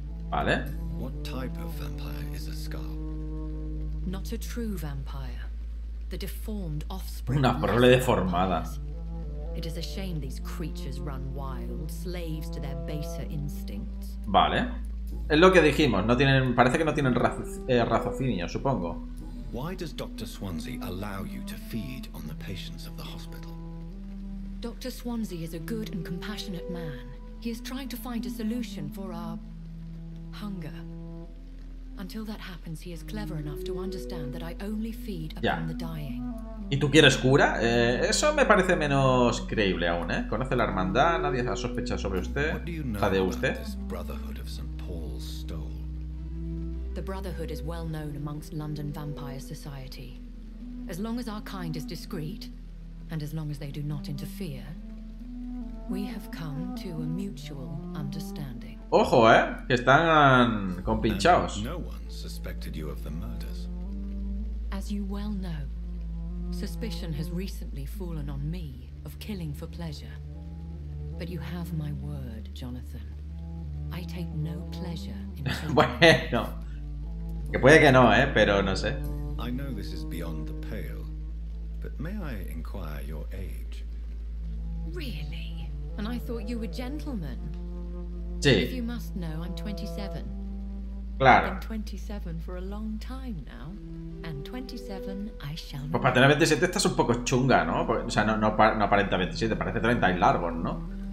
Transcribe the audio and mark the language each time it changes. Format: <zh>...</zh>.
<es>Vale.</es> <en>What type of vampire is a Skull? Not a true vampire. The deformed offspring.</en> <es>Una prole deformada.</es> <en>It is a shame these creatures run wild, slaves to their baser instincts.</en> <es>Vale. Es lo que dijimos. No tienen, parece que no tienen raciocinio, supongo.</es> <en>Why does Dr. Swansea allow you to feed on the patients of the hospital? Dr. Swansea is a good and compassionate man. He is trying to find a solution for our hunger. Until that happens, he is clever enough to understand that I only feed upon the dying.</en> <es>¿Y tú quieres cura? Eso me parece menos creíble aún, ¿eh? Conoce la hermandad, nadie ha sospechado sobre usted.</es> <en>What do you know</en> <es>jadea usted.</es> <en>About this brotherhood of St. Paul's stole? The brotherhood is well known amongst London Vampire Society. As long as our kind is discreet, and as long as they do not interfere, we have come to a mutual understanding.</en> <es>Ojo, que están compinchados.</es> <en>No one suspected you of the murders. As you well know, suspicion has recently fallen on me of killing for pleasure. But you have my word, Jonathan. I take no pleasure in</en> <es>bueno, que puede que no, pero no sé.</es> <en>I know this is beyond the pale. But may I inquire your age? Really? And I thought you were gentlemen.</en> <es>Sí.</es> <en>If you must know, I'm 27.</en> <es>Claro.</es> <en>I've been 27 for a long time now, and 27 I shall.</en> <es>Pues para tener 27 estás un poco chunga, ¿no? O sea, no aparenta 27, parece 30 y largo, ¿no?</es>